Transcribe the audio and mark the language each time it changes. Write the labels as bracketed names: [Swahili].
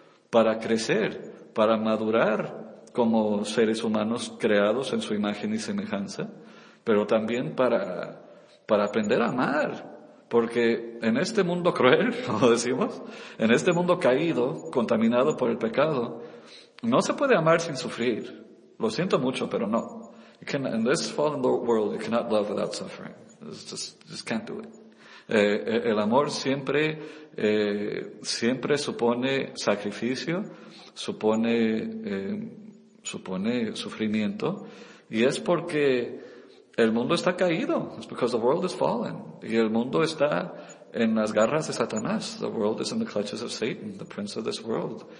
[Spanish] para crecer, para madurar como seres humanos creados en su imagen y semejanza, pero también para aprender a amar, porque en este mundo cruel, como decimos, en este mundo caído, contaminado por el pecado, no se puede amar sin sufrir. Lo siento mucho, pero no. [English] You can, in this fallen world, you cannot love without suffering. Just can't do it. [Spanish] El amor siempre, siempre supone sacrificio, supone sufrimiento. Y es porque el mundo está caído. [English] It's because the world is fallen. [Spanish] Y el mundo está en las garras de Satanás. [English] The world is in the clutches of Satan, the prince of this world.